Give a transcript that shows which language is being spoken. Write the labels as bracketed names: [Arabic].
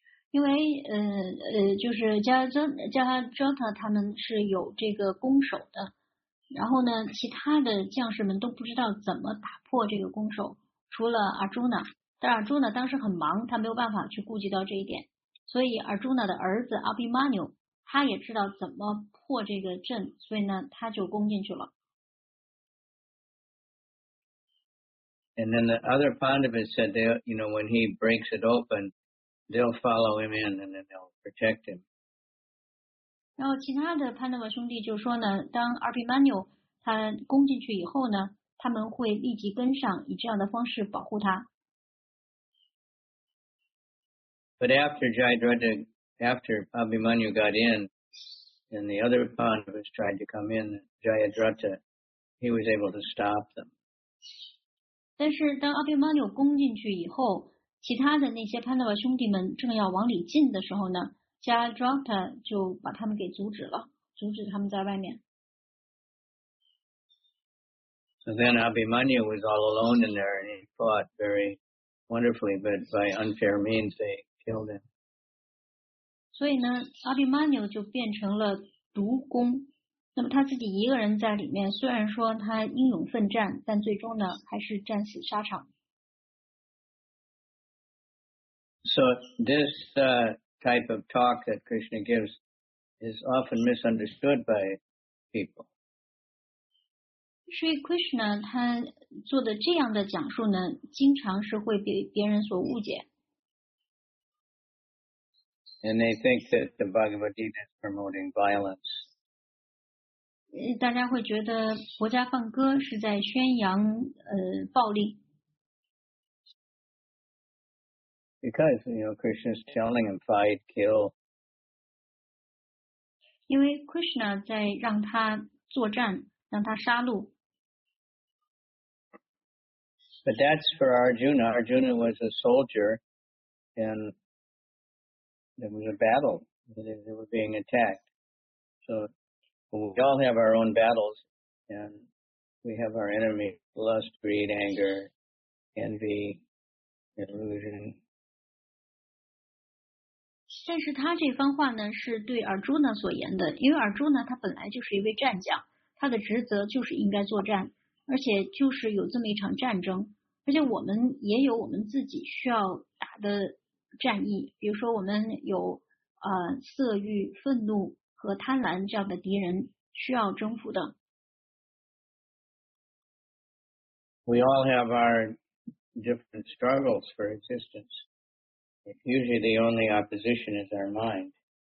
[Chinese] 因为就是Jayadrata他们是有这个攻守的，然后呢，其他的将士们都不知道怎么打破这个攻守，除了Arjuna。但尔朱呢当时很忙，他没有办法去顾及到这一点，所以尔朱呢的儿子阿比玛纽他也知道怎么破这个阵，所以呢他就攻进去了。 [English] And then the other Pandavas said they, you know, when he breaks it open they'll follow him in and then they'll protect him. [Chinese] 然后其他的 Pandava 兄弟就说呢，当阿比玛纽他攻进去以后呢，他们会立即跟上，以这样的方式保护他。 [English] But after Jayadrata, after Abhimanyu got in, and the other Pandavas tried to come in, Jayadrata, he was able to stop them. [Chinese] 但是当 Abhimanyu 攻进去以后，其他的那些 Pandava 兄弟们正要往里进的时候呢， Jayadrata 就把他们给阻止了，阻止他们在外面。 [English] So then Abhimanyu was all alone in there, and he fought very wonderfully, but by unfair means they. [Chinese] 所以呢 Abhimanyu 就变成了独攻，那么他自己一个人在里面，虽然说他英勇奋战，但最终呢还是战死沙场。 [English] So this type of talk that Krishna gives is often misunderstood by people. [Chinese] 所以 Krishna 他做的这样的讲述呢经常是会被别人所误解。 [English] And they think that the Bhagavad Gita is promoting violence. [Chinese] 大家会觉得国家放歌是在宣扬暴力。 [English] Because, you know, Krishna's telling him fight, kill. [Chinese] 因为 Krishna 在让他作战，让他杀戮。 [English] But But that's for Arjuna. Arjuna was a soldier, and there was a battle. They were being attacked. So we all have our own battles, and we have our enemy, lust, greed, anger, envy, illusion. [Chinese] 但是他这番话呢是对Arjuna所言的, 因为Arjuna他本来就是一位战将, 他的职责就是应该作战, 而且就是有这么一场战争, 而且我们也有我们自己需要打的战役, 比如说我们有, 色欲, 愤怒, 和贪婪这样的敌人需要征服的。 [English] We all have our different struggles for existence. Usually the only opposition is our mind.